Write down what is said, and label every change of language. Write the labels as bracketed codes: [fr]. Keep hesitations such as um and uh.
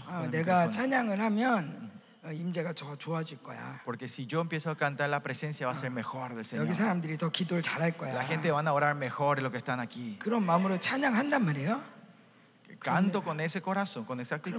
[ko] 아, 내가 microphone. 찬양을 하면 어, 임재가 더 좋아질 거야. [es] Porque si yo empiezo a cantar la presencia va a ser mejor del Señor. [ko] 여기 사람들이 더 기도를 잘할 거야. [es] La gente van a orar mejor lo que están aquí. [ko] 그런 마음으로 찬양한단 말이에요. [es] Canto [ko] 그러면, [es] con ese corazón, con esa actitud.